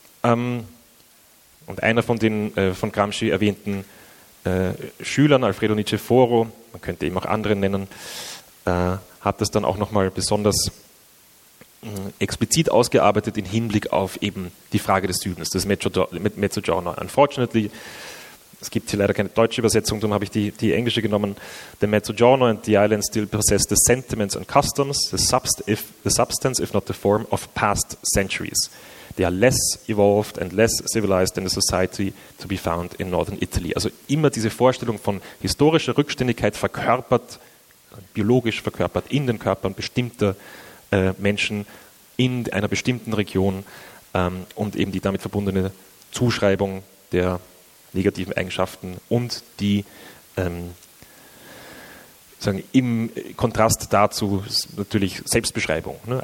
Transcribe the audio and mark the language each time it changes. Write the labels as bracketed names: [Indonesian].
[German] Und einer von den von Gramsci erwähnten Schülern, Alfredo Niceforo, man könnte eben auch andere nennen, hat das dann auch nochmal besonders explizit ausgearbeitet im Hinblick auf eben die Frage des Südens, des Mezzogiorno. [English] Unfortunately, [German] es gibt hier leider keine deutsche Übersetzung, darum habe ich die englische genommen. [English] The Mezzogiorno and the island still possess the sentiments and customs, the substance if not the form of past centuries. They are less evolved and less civilized than the society to be found in northern Italy. [German] Also immer diese Vorstellung von historischer Rückständigkeit verkörpert, biologisch verkörpert in den Körpern bestimmter Menschen in einer bestimmten Region und eben die damit verbundene Zuschreibung der negativen Eigenschaften und die sagen, im Kontrast dazu natürlich Selbstbeschreibung. Ne?